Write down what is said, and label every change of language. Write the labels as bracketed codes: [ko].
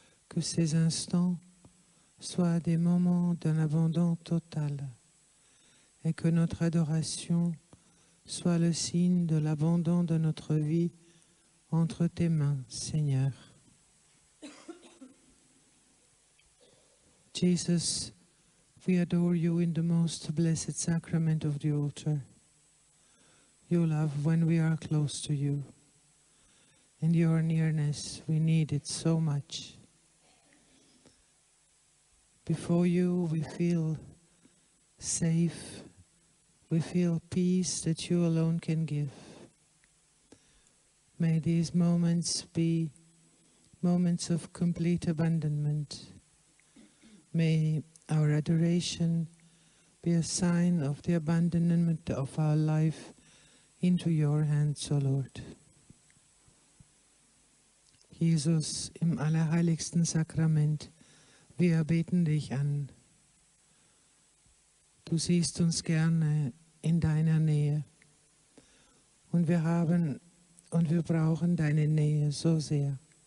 [fr] Que ces instants soient des moments d'un abandon total. Et que notre adoration soit le signe de l'abandon de notre vie entre tes mains, Seigneur. [en] Jesus, we adore you in the most blessed sacrament of the altar. You love when we are close to you. In your nearness, we need it so much. Before you, we feel safe. We feel peace that you alone can give. May these moments be moments of complete abandonment. May our adoration be a sign of the abandonment of our life into your hands, O Lord. [de] Jesus, im allerheiligsten Sakrament, wir beten dich an. Du siehst uns gerne in deiner Nähe. Und wir haben und wir brauchen deine Nähe so sehr.